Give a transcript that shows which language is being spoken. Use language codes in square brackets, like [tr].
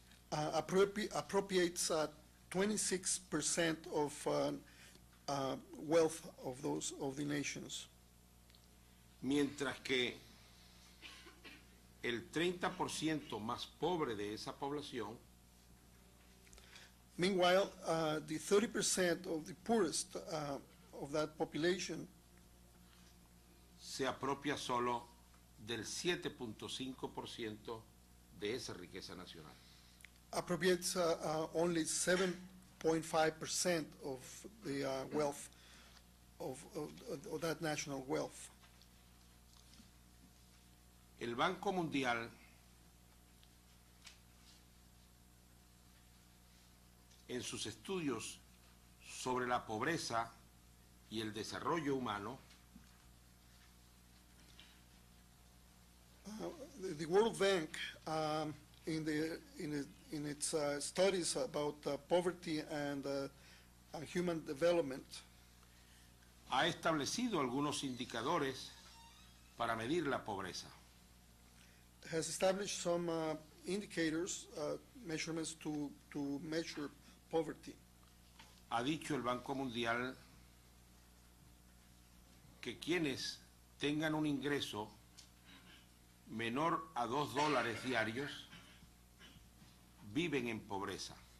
[en] Appropriates 26% of wealth of those of the nations. [es] Mientras que el 30% más pobre de esa población. [en] Meanwhile, the 30% of the poorest of that population [es] se apropia solo del 7.5% de esa riqueza nacional. [en] Appropriates only 7.5% of the wealth of that national wealth. [es] El Banco Mundial en sus estudios sobre la pobreza y el desarrollo humano. [en] The World Bank in its studies about poverty and human development [es] ha establecido algunos indicadores para medir la pobreza. [en] Has established some indicators, measurements to measure poverty. [es] Ha dicho el Banco Mundial que quienes tengan un ingreso menor a $2 diarios viven en pobreza.